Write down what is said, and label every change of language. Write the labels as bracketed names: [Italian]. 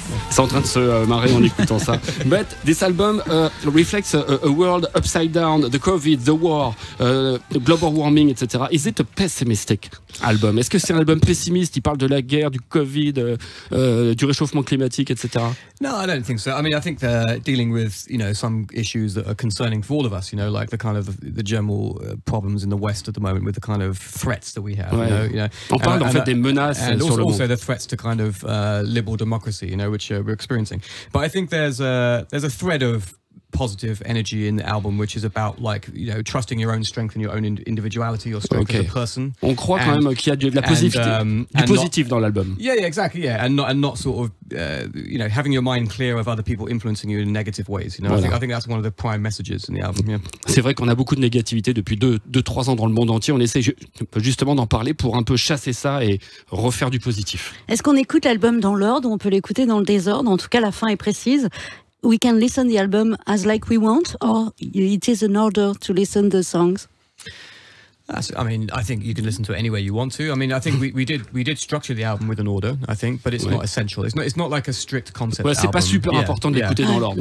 [French] C'est en train de se marrer en écoutant ça. [English] But this album reflects a world upside down, the COVID, the war, the global warming, etc. Is it a pessimistic album? [French] Est-ce que c'est un album pessimiste? Il parle de la guerre, du COVID, du réchauffement climatique, etc. [English] No, I don't think so. I mean, I think they're dealing with, you know, some issues that are concerning for all of us, you know, like the kind of the general problems in the West at the moment with the kind of threats that we have, [French] On parle en fait des menaces [English] and [French] sur [English] also, [French] le monde. [English] Also the threats to kind of liberal democracy, you know, which we're experiencing. But I think there's a thread of positive energy in the album, which is about, like, you know, trusting your own strength and your own individuality, your strength as a person. [French] On croit quand même qu'il y a de la positivité, du positif dans l'album. [English] Yeah, exactly. And not sort of, you know, having your mind clear of other people influencing you in negative ways. You know, voilà. I think that's one of the prime messages in the album. Yeah. [French] C'est vrai qu'on a beaucoup de négativité depuis 2-3 ans dans le monde entier. On essaie justement d'en parler pour un peu chasser ça et refaire du positif. Est-ce qu'on écoute l'album dans l'ordre ou on peut l'écouter dans le désordre? En tout cas, la fin est précise. [English] We can listen the album as like we want, or it is an order to listen the songs. I mean, I think you can listen to it any way you want to. I mean, I think we did structure the album with an order, I think, but it's not essential. It's not like a strict concept album. [French] C'est pas super important de l'écouter dans l'ordre.